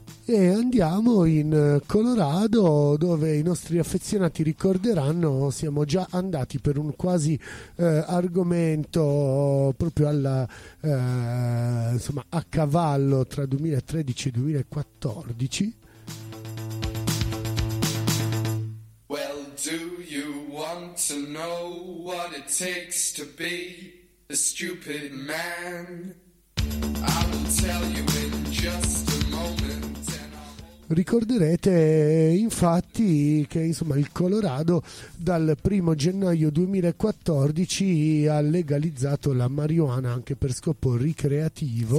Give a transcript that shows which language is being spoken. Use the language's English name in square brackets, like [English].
[Italian] E andiamo in Colorado, dove i nostri affezionati ricorderanno siamo già andati per un quasi argomento proprio alla, insomma, a cavallo tra 2013 e 2014. [English] Well, do you want to know what it takes to be a stupid man? I will tell you in just a moment. [Italian] Ricorderete infatti che, insomma, il Colorado dal 1 gennaio 2014 ha legalizzato la marijuana anche per scopo ricreativo.